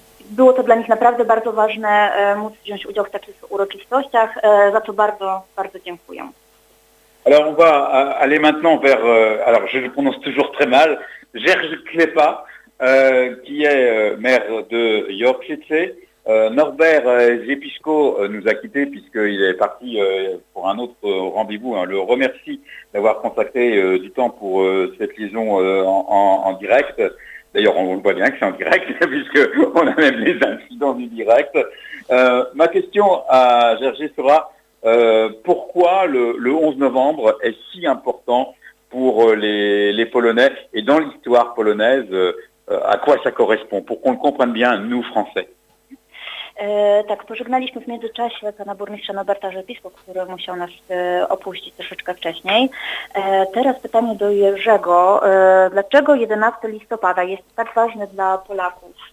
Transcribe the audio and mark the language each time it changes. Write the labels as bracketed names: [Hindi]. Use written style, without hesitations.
[Polish] Było to dla nich naprawdę bardzo ważne móc wziąć udział w takich uroczystościach, za co bardzo, bardzo dziękuję. [French] Alors on va aller maintenant vers, alors je le prononce toujours très mal, Gerge Klepa, qui est maire de Yorkshire. Norbert Zepisco nous a quittés puisqu'il est parti pour un autre rendez-vous. Hein. Le remercie d'avoir consacré du temps pour cette liaison en direct. D'ailleurs, on le voit bien que c'est en direct, puisqu'on a même les incidents du direct. Ma question à Gergé sera, pourquoi le 11 novembre est si important pour les Polonais et dans l'histoire polonaise, à quoi ça correspond, pour qu'on le comprenne bien, nous, Français. [Polish] Tak, pożegnaliśmy w międzyczasie pana burmistrza Norberta Rzepisko, który musiał nas opuścić troszeczkę wcześniej. Teraz pytanie do Jerzego. Dlaczego 11 listopada jest tak ważny dla Polaków?